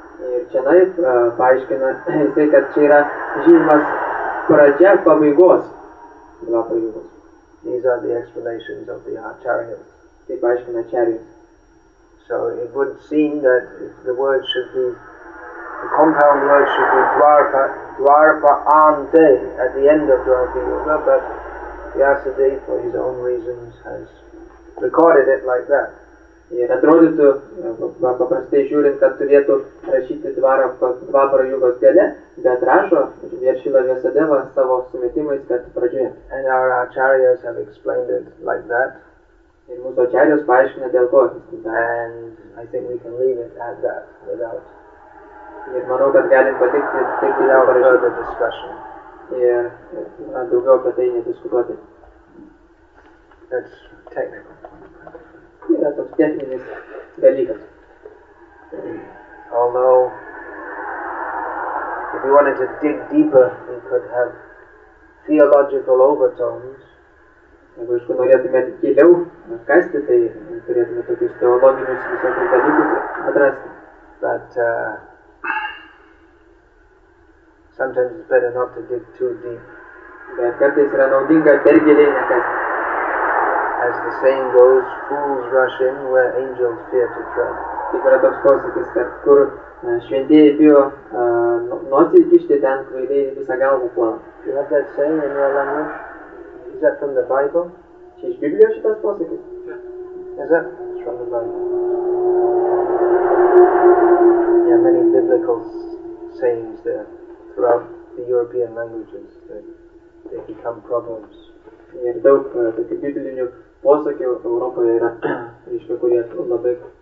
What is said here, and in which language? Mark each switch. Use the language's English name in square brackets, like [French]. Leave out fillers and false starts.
[Lithuanian] Ir čianai paaiškina tai, kad čia yra žymas pradžia pabaigos Dvapara Yugos. [English] These are the explanations of the Acharyas. [Lithuanian] Tai paaiškina Acharyas. [English] So it would seem that the word should be, the compound word should be Dvarpa Ante at the end of Dvapara Yuga, but Vyasadeva, for his own reasons, has recorded it like that. [Lithuanian] Ir atrodytų, paprastai žiūrint, kad turėtų rašyti dvaro, dvaro jūgos gale, bet rašo Viršila Vyasadeva savo sumetimais, kad pradžioje. [English] And our acharyas have explained it like that. [Lithuanian] Ir mūsų acharyas paaiškina dėl ko. [English] And I think we can leave it at that without. [Lithuanian] Ir manau, kad galim patikti tik [English] without further discussion. [Lithuanian] Ir daugiau apie tai nediskutuoti. [English] That's technical. [Lithuanian] Yra toks techninis dalykas. [English] Although, if you wanted to dig deeper, you could have theological overtones. [Lithuanian] Jeigu jūs norėtumėt giliau kasti, tai turėtumėt tokius teologinius visokius dalykus atrasti. [English] But sometimes it's better not to dig too deep. [Lithuanian] Bet kartais yra naudinga per giliai nekasti. [English] As the saying goes, fools rush in where angels fear to tread. [Lithuanian] Taip yra toks posakis, kad kur šventieji bijo nosį įkišti, ten kvailiai visą galvą puola. [English] You have that saying in your language? Is that from the Bible? [Lithuanian] Čia iš Biblijos šitas posakis? [English] Yeah. Is that? It's from the Bible. There are many biblical sayings there throughout the European languages that they become problems. [Lithuanian] Ir daug tokių biblinių posakių Europoje yra, reiškia, kurie labai